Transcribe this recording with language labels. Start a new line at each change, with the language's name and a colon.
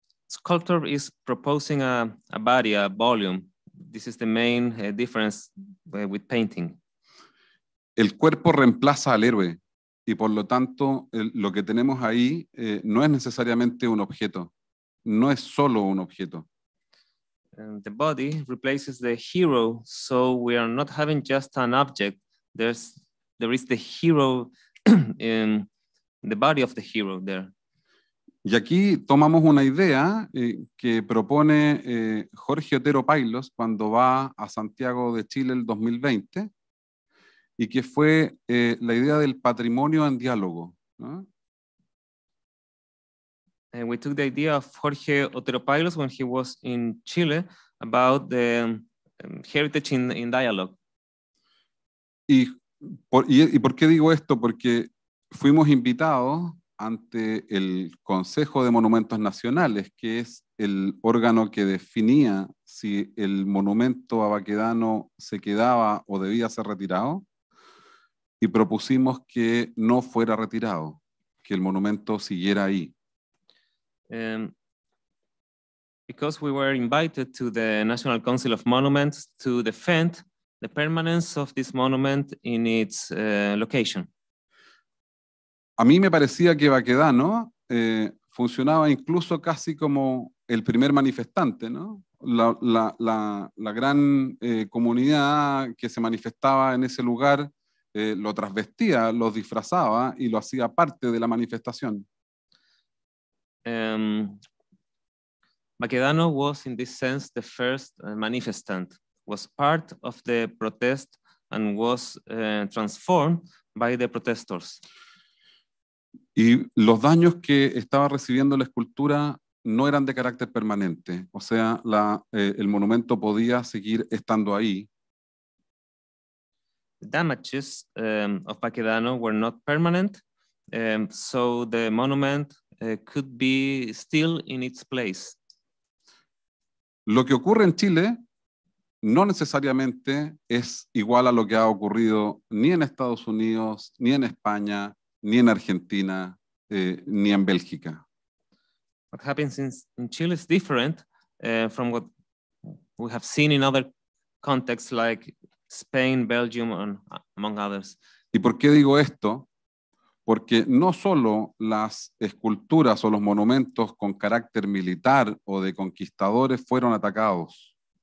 English: Sculpture is proposing a body, a volume. This is the main difference with painting.
Spanish: El cuerpo reemplaza al héroe. Y por lo tanto, lo que tenemos ahí no es necesariamente un objeto. No es solo un objeto.
English: And the body replaces the hero, so we are not having just an object. There is the hero in the body of the hero there.
Spanish: Y aquí tomamos una idea que propone Jorge Otero Pailos cuando va a Santiago de Chile el 2020, y que fue la idea del patrimonio en diálogo, ¿no?
English: And we took the idea of Jorge Otero Pailos when he was in Chile about the heritage in dialogue.
Spanish: ¿Y por qué digo esto? Porque fuimos invitados ante el Consejo de Monumentos Nacionales, que es el órgano que definía si el monumento a Baquedano se quedaba o debía ser retirado, y propusimos que no fuera retirado, que el monumento siguiera ahí.
English: Because we were invited to the National Council of Monuments to defend the permanence of this monument in its location.
Spanish: A mí me parecía que Baquedano funcionaba incluso casi como el primer manifestante, ¿no? La gran comunidad que se manifestaba en ese lugar lo trasvestía, lo disfrazaba y lo hacía parte de la manifestación.
English: Baquedano was in this sense the first manifestant, was part of the protest and was transformed by the protesters.
Spanish: Y los daños que estaba recibiendo la escultura no eran de carácter permanente, o sea, el monumento podía seguir estando ahí.
English: The damages of Baquedano were not permanent, so the monument could be still in its place.
Spanish: Lo que ocurre en Chile no necesariamente es igual a lo que ha ocurrido ni en Estados Unidos, ni en España, ni en Argentina, ni en Bélgica.
English: What happens in Chile is different from what we have seen in other contexts like Spain, Belgium, and among others.
Spanish: ¿Y por qué digo esto? Porque no solo las esculturas o los monumentos con carácter militar o de conquistadores fueron atacados.